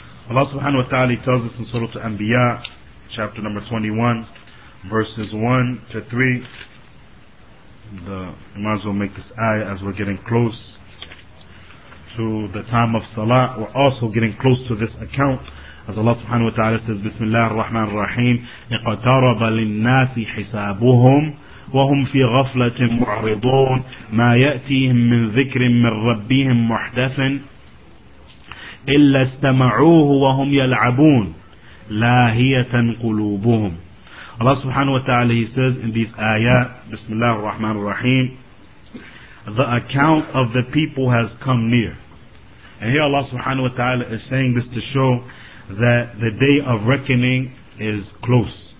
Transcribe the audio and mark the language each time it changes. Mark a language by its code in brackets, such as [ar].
[en] Allah subhanahu wa ta'ala tells us in Surah Al-Anbiya, chapter number 21, verses 1 to 3. We might as well make this ayah as we're getting close to the time of Salah. We're also getting close to this account. As Allah subhanahu wa ta'ala says, Bismillah ar-Rahman ar-Rahim, [ar] اِقْتَرَبَ لِلنَّاسِ حِسَابُهُمْ وَهُمْ فِي غَفْلَةٍ مُعْرِضُونَ مَا يَأْتِيهِمْ مِنْ ذِكْرٍ مِنْ رَبِّهِمْ مُحْدَثٍ إِلَّا اسْتَمَعُوهُ وَهُمْ يَلْعَبُونَ لَاهِيَةً قُلُوبُهُمْ. [en] Allah subhanahu wa ta'ala, He says in these ayat, Bismillah ar-Rahman ar-Rahim, the account of the people has come near. And here Allah subhanahu wa ta'ala is saying this to show that the day of reckoning is close.